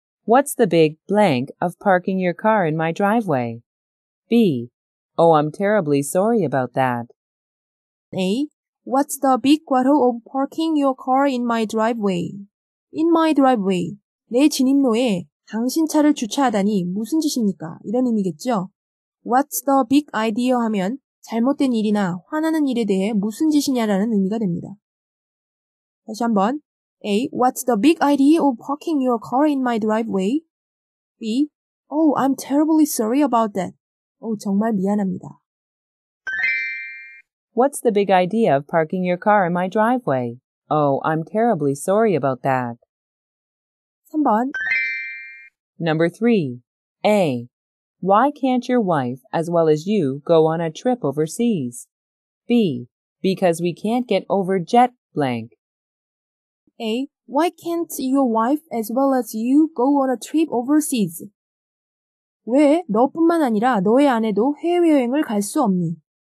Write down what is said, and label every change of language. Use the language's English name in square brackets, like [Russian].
[English] What's the big blank of parking your car in my driveway? B. Oh, I'm terribly sorry about that. A. What's the big quarrel of parking your car in my driveway? In my driveway. [Korean] 내 진입로에 당신 차를 주차하다니 무슨 짓입니까? 이런 의미겠죠? [English] What's the big idea [Korean] 하면 잘못된 일이나 화나는 일에 대해 무슨 짓이냐라는 의미가 됩니다. 다시 한번 A. [English] What's the big idea of parking your car in my driveway? B. Oh, I'm terribly sorry about that. [Korean] 오, 정말 미안합니다. [English] What's the big idea of parking your car in my driveway? Oh, I'm terribly sorry about that. [Korean] 3번 [English] Number 3. A. Why can't your wife, as well as you, go on a trip overseas? B. Because we can't get over jet blank. A. Why can't your wife as well as you go on a trip overseas? [Korean] 왜 너뿐만 아니라 너의 아내도 해외여행을 갈 수 없니?